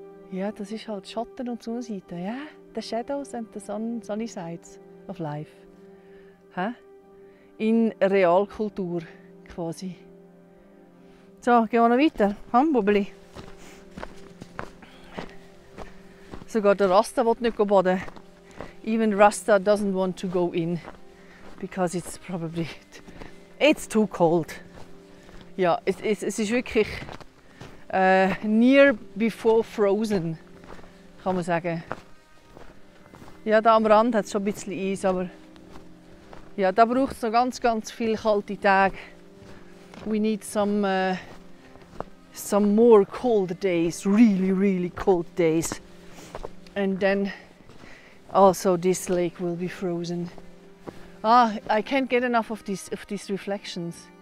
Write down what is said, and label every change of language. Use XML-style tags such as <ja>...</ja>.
<de>Ja, das ist halt Schatten und Sonnenseite, ja?</de> <en>The shadows and the sunny sides of life.</en> <de>Ha? In Realkultur quasi. So, gehen wir noch weiter. Hambubli. Sogar der Rasta will nicht baden.</de> <en>Even Rasta doesn't want to go in. Because it's probably... It's too cold.</en> <de>Ja, es ist wirklich...</de> <en>near before frozen,</en> <de>kann man sagen. Ja, da am Rand hat es schon ein bisschen Eis, aber... Ja, da braucht es noch ganz, ganz viele kalte Tage.</de> <en>We need some more cold days, really, really cold days. And then also this lake will be frozen. Ah, I can't get enough of these reflections.</en>